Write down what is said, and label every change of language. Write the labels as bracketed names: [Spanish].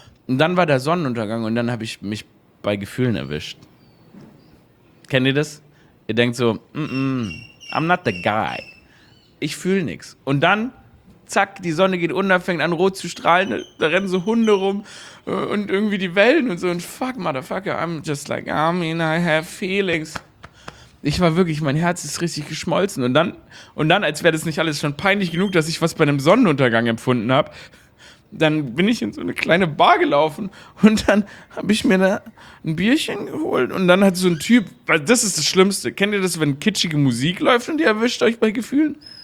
[German] Und dann war der Sonnenuntergang und dann habe ich mich bei Gefühlen erwischt. Kennt ihr das? Ihr denkt so, [English] I'm not the guy. [German] Ich fühle nichts. Und dann, zack, die Sonne geht unter, fängt an rot zu strahlen, da rennen so Hunde rum und irgendwie die Wellen und so. [English] Und fuck, motherfucker, I'm just like, I mean, I have feelings. [German] Ich war wirklich, mein Herz ist richtig geschmolzen. Und dann, als wäre das nicht alles schon peinlich genug, dass ich was bei einem Sonnenuntergang empfunden habe, dann bin ich in so eine kleine Bar gelaufen und dann habe ich mir da ein Bierchen geholt. Und dann hat so ein Typ, weil das ist das Schlimmste, kennt ihr das, wenn kitschige Musik läuft und ihr erwischt euch bei Gefühlen?